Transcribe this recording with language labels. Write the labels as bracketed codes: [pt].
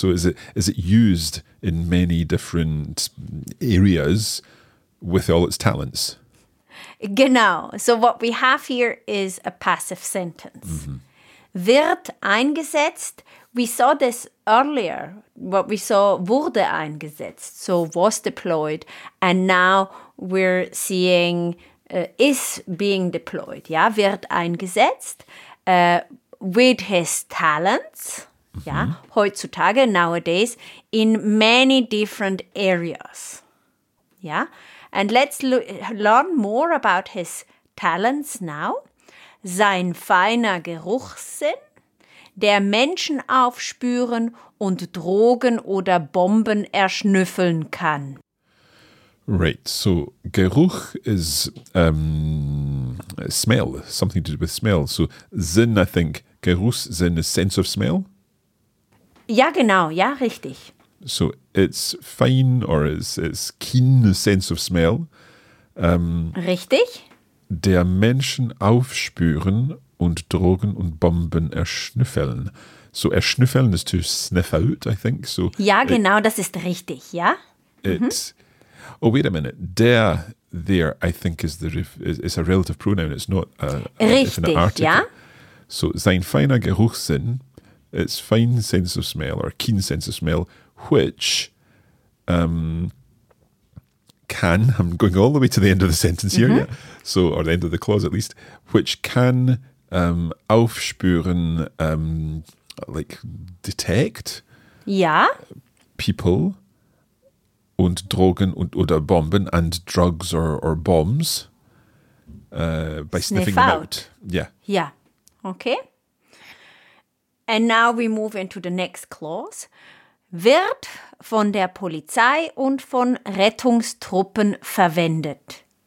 [en] So, is it used in many different areas with all its talents? [de] Genau. [en] So, what we have here is a passive sentence. Mm-hmm. [de] Wird eingesetzt. [en] We saw this earlier. What we saw, [de] wurde eingesetzt. [en] So, was deployed. And now we're seeing... is being deployed, ja, [de] wird eingesetzt, [en] with his talents, mm-hmm. ja, heutzutage, nowadays, in many different areas, ja. And let's learn more about his talents now. [de] Sein feiner Geruchssinn, der Menschen aufspüren und Drogen oder Bomben erschnüffeln kann. [en] Right, so Geruch is smell, something to do with smell. So Sinn, I think, Geruchssinn is sense of smell? [de] Ja, genau, ja, richtig. [en] So it's fine or it's keen sense of smell. [de] Richtig. Der Menschen aufspüren und Drogen und Bomben erschnüffeln. [en] So erschnüffeln is to sniff out, I think. So. [de] Ja, genau, das ist richtig, ja. [en] It's... Mm-hmm. Oh, wait a minute. Der, there, I think, is a relative pronoun. It's not an article. Ja? So, [de] sein feiner Geruchssinn, [en] it's fine sense of smell or keen sense of smell, which can, I'm going all the way to the end of the sentence here, mm-hmm. yeah. So, or the end of the clause at least, which can aufspüren, like detect [de] ja. [en] people. [de] Und Drogen und oder Bomben [en] and drugs or bombs by sniffing them out. Yeah. Yeah. Okay. And now we move into the next clause. [de] Wird von der Polizei und von Rettungstruppen verwendet.